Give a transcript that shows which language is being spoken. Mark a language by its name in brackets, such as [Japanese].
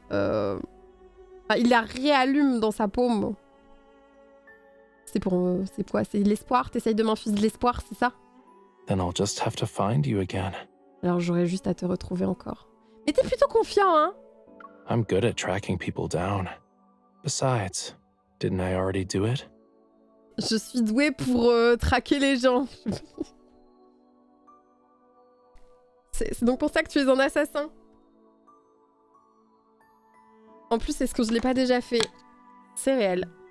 [French] Enfin, il la réallume dans sa paume. C'est quoi? C'est l'espoir? T'essayes de m'infuser de l'espoir, c'est ça? [English] Then I'll just have to find you again. [French] Alors j'aurai juste à te retrouver encore. Mais t'es plutôt confiant, hein? [English] I'm good at tracking people down. Besides, didn't I already do it? [French] Je suis doué pour traquer les gens. C'est donc pour ça que tu es un assassin. En plus, est-ce que je l'ai pas déjà fait? C'est réel.